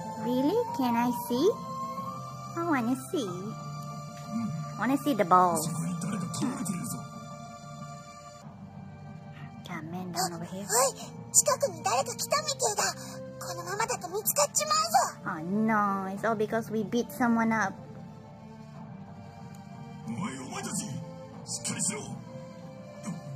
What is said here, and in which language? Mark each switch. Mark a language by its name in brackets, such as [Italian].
[English] Really? Can I see? I wanna see.、うん、I wanna see the balls. [Japanese] そこに誰か倒れてるぞ。じゃあ、面談の部屋。おい、近くに誰か来たみてえだ。このままだと見つかっちまうぞ。 [English] Oh no, it's all because we beat someone up. [Japanese] お前たち、しっかりしろ。